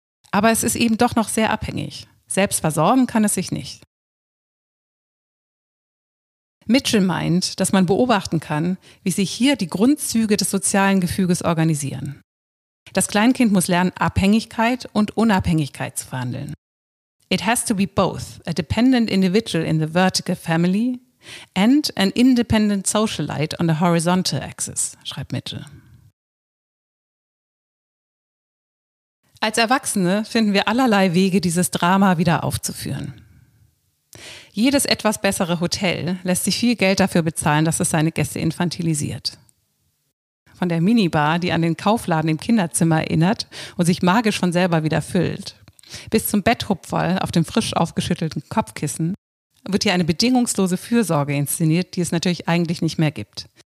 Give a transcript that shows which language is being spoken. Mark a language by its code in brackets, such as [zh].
[de] Aber es ist eben doch noch sehr abhängig. Selbst versorgen kann es sich nicht. Mitchell meint, dass man beobachten kann, wie sich hier die Grundzüge des sozialen Gefüges organisieren. Das Kleinkind muss lernen, Abhängigkeit und Unabhängigkeit zu verhandeln. [en] It has to be both a dependent individual in the vertical family and an independent socialite on the horizontal axis, [de] schreibt Mitchell. Als Erwachsene finden wir allerlei Wege, dieses Drama wieder aufzuführen. Jedes etwas bessere Hotel lässt sich viel Geld dafür bezahlen, dass es seine Gäste infantilisiert. Von der Minibar, die an den Kaufladen im Kinderzimmer erinnert und sich magisch von selber wieder füllt, bis zum Betthupferl auf dem frisch aufgeschüttelten Kopfkissen, wird hier eine bedingungslose Fürsorge inszeniert, die es natürlich eigentlich nicht mehr gibt.